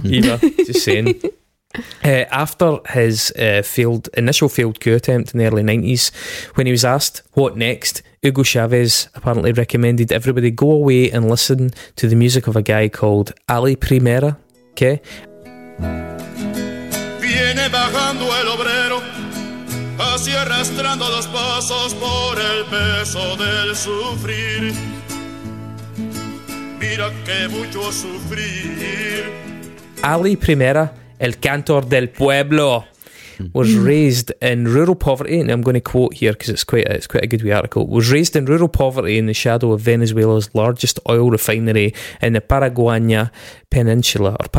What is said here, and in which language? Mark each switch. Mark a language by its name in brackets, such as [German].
[English] Either, just saying. After his initial failed coup attempt in the early 90s, when he was asked what next, Hugo Chavez apparently recommended everybody go away and listen to the music of a guy called Ali Primera. Okay? [Spanish] Viene bajando el obrero. Así arrastrando los pasos por el peso del sufrir. Mira que mucho sufrir. [English] Ali Primera, [Spanish] el cantor del pueblo, [English] was raised in rural poverty, and I'm going to quote here because it's quite a good wee article. Was raised in rural poverty in the shadow of Venezuela's largest oil refinery in the Paraguana Peninsula.